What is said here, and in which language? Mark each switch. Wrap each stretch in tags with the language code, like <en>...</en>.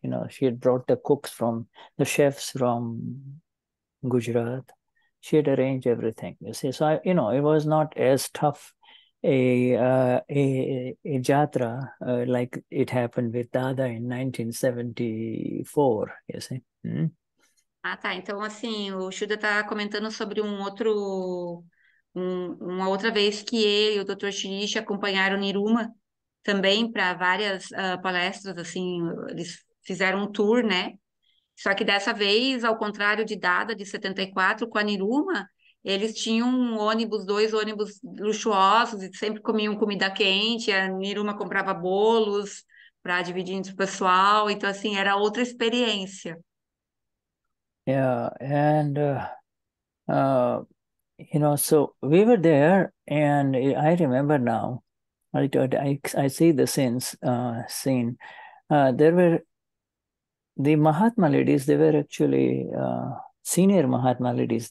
<en>She had brought the chefs from Gujarat. She had arranged everything, you see. So it was not as tough a jatra like it happened with Dada in 1974, you see.</en> <pt>Ah, tá. Então, assim, o Shuddha está comentando sobre uma outra vez que ele e o Dr. Shirish acompanharam Niruma também para várias palestras, assim, eles fizeram um tour, né? Só que dessa vez, ao contrário de Dada, de 74, com a Niruma, eles tinham um ônibus, dois ônibus luxuosos, e sempre comiam comida quente, a Niruma comprava bolos para dividir entre o pessoal, então, assim, era outra experiência.</pt> <en>Yeah, and you know, so we were there, and I remember now. I see the scene. There were the Mahatma ladies. They were actually senior Mahatma ladies.</en>